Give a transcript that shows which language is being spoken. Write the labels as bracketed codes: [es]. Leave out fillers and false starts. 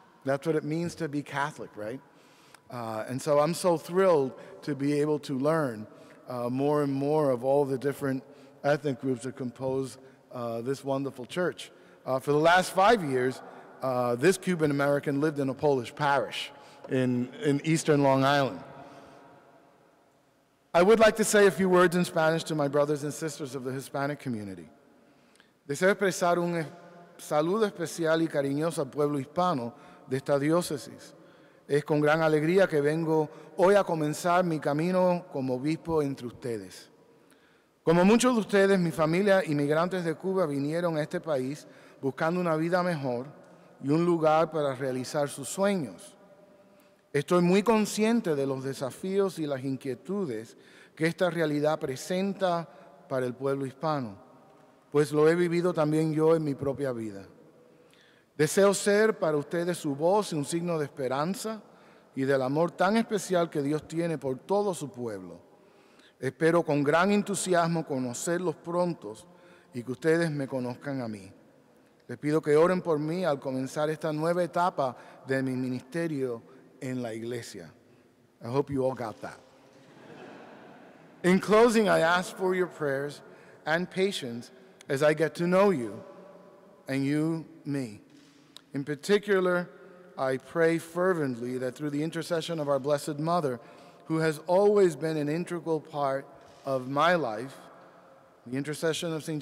[en] That's what it means to be Catholic, right? And so I'm so thrilled to be able to learn more and more of all the different ethnic groups that compose this wonderful church. For the last 5 years, this Cuban American lived in a Polish parish in eastern Long Island. I would like to say a few words in Spanish to my brothers and sisters of the Hispanic community. [es] Deseo expresar un saludo especial y cariñoso al pueblo hispano de esta diócesis. Es con gran alegría que vengo hoy a comenzar mi camino como obispo entre ustedes. Como muchos de ustedes, mi familia, inmigrantes de Cuba, vinieron a este país buscando una vida mejor y un lugar para realizar sus sueños. Estoy muy consciente de los desafíos y las inquietudes que esta realidad presenta para el pueblo hispano, pues lo he vivido también yo en mi propia vida. Deseo ser para ustedes su voz y un signo de esperanza y del amor tan especial que Dios tiene por todo su pueblo. Espero con gran entusiasmo conocerlos pronto y que ustedes me conozcan a mí. Les pido que oren por mí al comenzar esta nueva etapa de mi ministerio en la iglesia. [en] I hope you all got that. In closing, I ask for your prayers and patience as I get to know you and you me. In particular, I pray fervently that through the intercession of our Blessed Mother, who has always been an integral part of my life, the intercession of St.